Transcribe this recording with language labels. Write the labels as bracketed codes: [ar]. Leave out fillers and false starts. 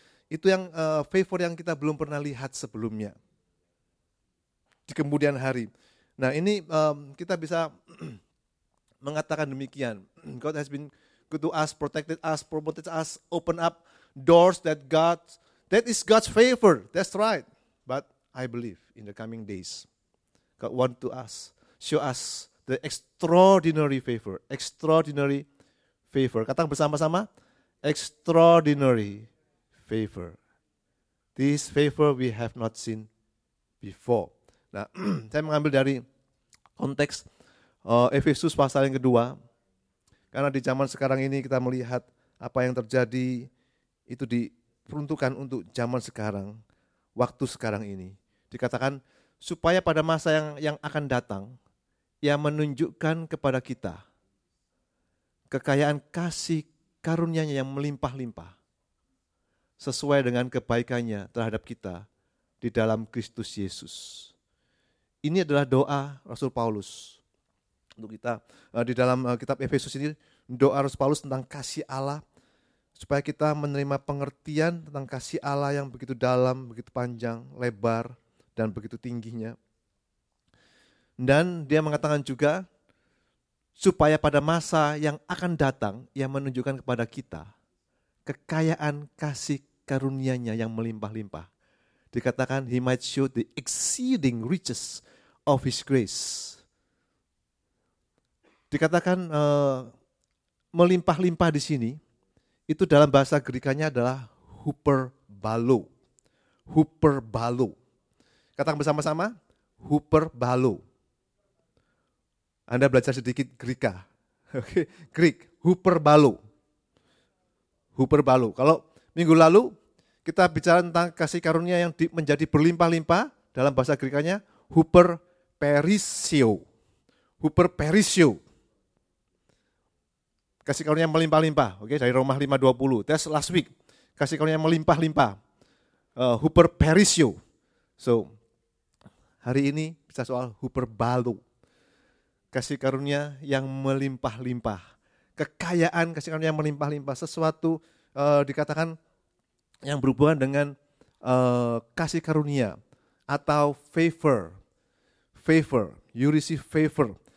[id] Itu yang favor yang kita belum pernah lihat sebelumnya di kemudian hari. Nah ini kita bisa mengatakan demikian. [en] God has been good to us, protected us, promoted us, open up doors that God, that is God's favor. That's right. But I believe in the coming days, God want to us, show us the extraordinary favor. Extraordinary favor. [id] Katakan bersama-sama, [en] extraordinary favor. This favor we have not seen before. [id] Nah, saya mengambil dari konteks Efesus pasal yang kedua, karena di zaman sekarang ini kita melihat apa yang terjadi itu diperuntukkan untuk zaman sekarang, waktu sekarang ini. Dikatakan supaya pada masa yang akan datang, ia menunjukkan kepada kita kekayaan kasih karunia-Nya yang melimpah-limpah sesuai dengan kebaikannya terhadap kita di dalam Kristus Yesus. Ini adalah doa Rasul Paulus untuk kita di dalam kitab Efesus ini, doa Rasul Paulus tentang kasih Allah supaya kita menerima pengertian tentang kasih Allah yang begitu dalam, begitu panjang, lebar, dan begitu tingginya. Dan dia mengatakan juga supaya pada masa yang akan datang ia menunjukkan kepada kita kekayaan kasih karunia-Nya yang melimpah-limpah. Dikatakan [en] he might show the exceeding riches of his grace. [id] Dikatakan melimpah-limpah di sini, itu dalam bahasa Greek-nya adalah hyperbalo. Hyperbalo. Katakan bersama-sama, hyperbalo. Anda belajar sedikit Greek-nya. Okay. Greek, hyperbalo. Hyperbalo. Kalau minggu lalu kita bicara tentang kasih karunia yang menjadi berlimpah-limpah, dalam bahasa Greek-nya hyperperisio. Hyperperisio. Kasih karunia melimpah-limpah, oke, okay, dari Roma 5:20. [en] That's last week. [id] Kasih karunia melimpah-limpah. Hyperperisio. So, hari ini bisa soal hyperbalu. Kasih karunia yang melimpah-limpah. Kekayaan kasih karunia yang melimpah-limpah. Sesuatu dikatakan yang berhubungan dengan kasih karunia atau favor. [en] Favor, you receive favor.